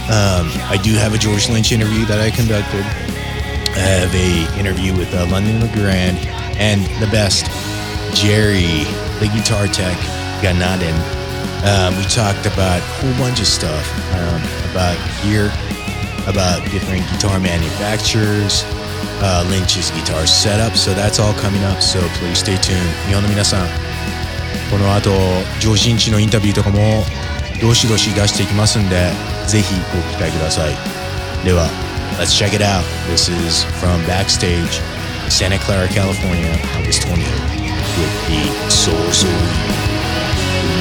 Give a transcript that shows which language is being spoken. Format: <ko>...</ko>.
<en>I do have a George Lynch interview that I conducted. I have a interview with London LeGrand and the best, Jerry, the guitar tech, Ganaden. We talked about a whole bunch of stuff, about gear, about different guitar manufacturers, Lynch's guitar setup. So that's all coming up, so please stay tuned.</en> <ja>日本の皆さん、この後ジョージ・リンチのインタビューとかもどしどし出していきますんで、ぜひご期待ください。では</ja> <en>Let's check it out. This is from Backstage, Santa Clara, California, August 28th, with the Souls of We.</en>